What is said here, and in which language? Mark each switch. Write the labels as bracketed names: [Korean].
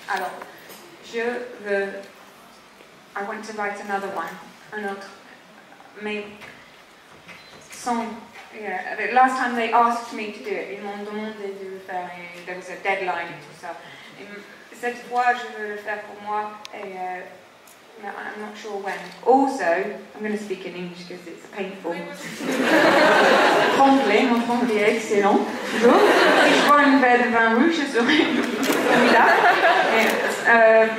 [French] Alors, je veux. [English] I want to write another one. [French] Un autre. Mais sans. [English] Yeah, the last time they asked me to do it, [French] ils m'ont demandé de le faire et [English] there was a deadline [French] et tout ça. Et cette fois, je veux le faire pour moi et. [English] I'm not sure when. Also, I'm going to speak in English because it's painful. [French] Anglais, mon anglais est excellent. Si je bois une verre de vin rouge, je serai formidable.